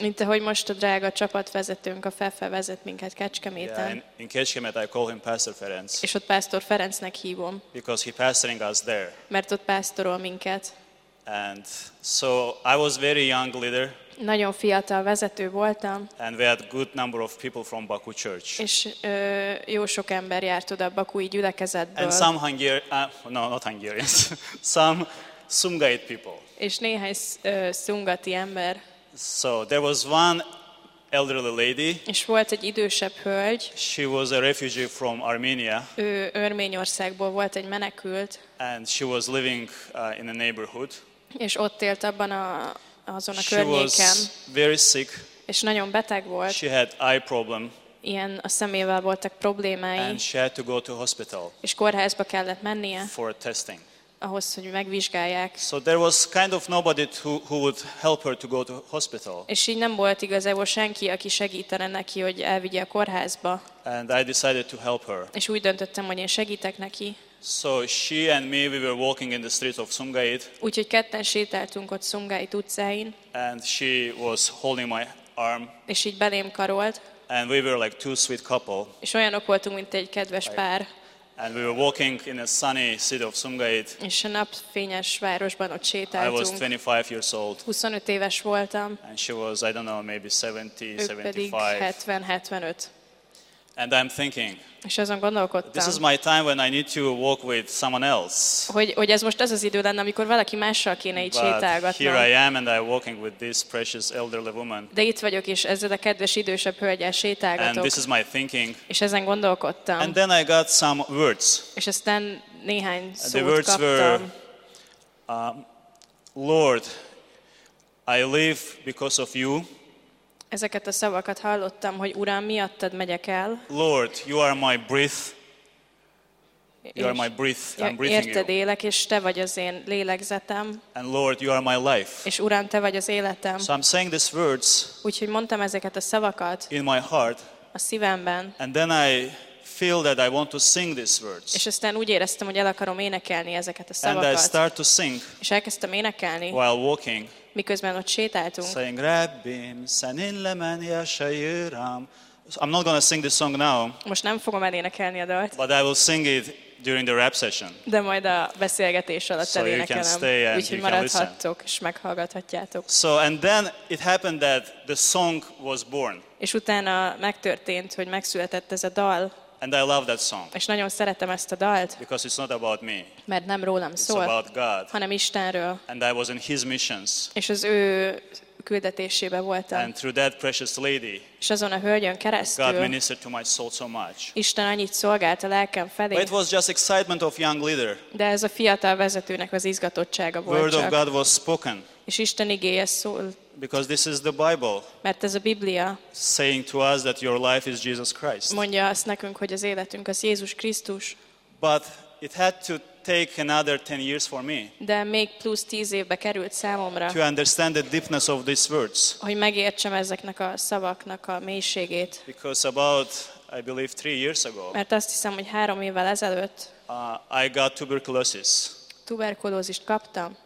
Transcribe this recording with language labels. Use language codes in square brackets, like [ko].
[hu] Mint ahogy most a drága csapatvezetőnk, a Fefe vezet minket Kecskeméten. [en] Yeah, in Kecskemét I call him Pastor Ferenc. [hu] És ott Pastor Ferencnek hívom. [en] Because he pastoring us there. [hu] Mert ott pásztorol minket. [en] And so I was very young leader. [hu] Nagyon fiatal vezető voltam. [en] And we had good number of people from Baku church. [hu] És jó sok ember járt oda a bakui gyülekezetből. [en] And some Hungarian, no, not Hungarians, some Sumgait people. [hu] És néhány szungati ember. [en] So there was one elderly lady. [hu] És volt egy idősebb hölgy. [en] She was a refugee from Armenia. [hu] Ő Örményországból volt, egy menekült. [en] And she was living in a neighborhood. [hu] És ott élt abban azon a [en] she [hu] környéken. [en] Was very sick. [hu] És nagyon beteg volt. [en] She had eye problem. [hu] Ilyen a szemével voltak problémái. [en] And she had to go to hospital. [hu] És kórházba kellett mennie. [en] For testing. [hu] Ahhoz, hogy megvizsgálják. [en] So there was kind of nobody who would help her to go to hospital. [hu] És így nem volt igazából senki, aki segítene neki, hogy elvigye a kórházba. [en] And I decided to help her. [hu] És úgy döntöttem, hogy én segítek neki. [en] So she and me, we were walking in the streets of Sumgait. [hu] Úgyhogy ketten sétáltunk ott Sumgait utcáin. [en] And she was holding my arm. [hu] És így belém karolt. [en] And we were like 2 sweet couple. [hu] És olyanok voltunk, mint egy kedves pár. [en] And we were walking in a sunny city of Sumgait. [hu] És a napfényes városban ott sétáltunk. [en] I was 25 years old. [hu] 25 éves voltam. [en] And she was, I don't know, maybe 70, 75. [hu] 70-75. [en] And I'm thinking. [hu] És azon gondolkodtam. [en] This is my time when I need to walk with someone else. [hu] Hogy ez most ez az idő lenne, amikor valaki mással kéne így sétálgatnom. [en] Here I am and I'm walking with this precious elderly woman. [hu] De itt vagyok és ezzel a kedves idősebb hölgyel sétálgatok. [en] And this is my thinking. [hu] És ezen gondolkodtam. [en] And then I got some words. [hu] És aztán néhány szót kaptam. [en] The words were, Lord, I live because of you. [hu] Ezeket a szavakat hallottam, hogy Uram, miattad megyek el. [en] Lord, you are my breath. You are my breath. I'm breathing you. [hu] Érted élek, és te vagy az én lélegzetem. [en] And Lord, you are my life. [hu] És Uram, te vagy az életem. [en] So I'm saying these words. [hu] Úgyhogy mondtam ezeket a szavakat. [en] In my heart. [hu] A szívemben. [en] And then I feel that I want to sing these words. [hu] És aztán úgy éreztem, hogy el akarom énekelni ezeket a szavakat. [en] And I start to sing. [hu] És elkezdtem énekelni. [en] While walking. [hu] Miközben ott sétáltunk. [en] Saying, [az] Rabbim, senin lemen yashayiram. [en] I'm not going to sing this song now. [hu] Most nem fogom elénekelni a dalt. [en] But I will sing it during the rap session. [hu] De majd a beszélgetés alatt elénekelem. [en] So you can stay and [hu] úgyhogy maradhattok, és meghallgathatjátok. [en] So, and then it happened that the song was born. [hu] És utána megtörtént, hogy megszületett ez a dal. [en] And I love that song. [hu] És nagyon szeretem ezt a dalt. [en] Because it's not about me. [hu] Mert nem rólam szól. [en] It's about God. [hu] Hanem Istenről. [en] And I was in his missions. [hu] És az ő küldetésébe voltam. [en] And through that precious lady. [hu] És azon a hölgyön keresztül. [en] God ministered to my soul so much. [hu] Isten annyit szolgált a lelkem felé. [en] But it was just excitement of young leader. [hu] De ez a fiatal vezetőnek az izgatottsága volt. [en] Word [hu] csak. [en] Of God was spoken. [hu] És Isten igéje szólt. [en] Because this is the Bible. [hu] Mert ez a Biblia. [en] Saying to us that your life is Jesus Christ. [hu] Mondja azt nekünk, hogy az életünk az Jézus Krisztus. [en] But it had to take another 10 years for me. [hu] De még plusz 10 évbe került számomra. [en] To understand the deepness of these words. [hu] Hogy megértsem ezeknek a szavaknak a mélységét. [en] Because about I believe 3 years ago. [hu] Mert azt hiszem, hogy 3 évvel ezelőtt. [en] I got tuberculosis. [hu] Tuberkulózist kaptam.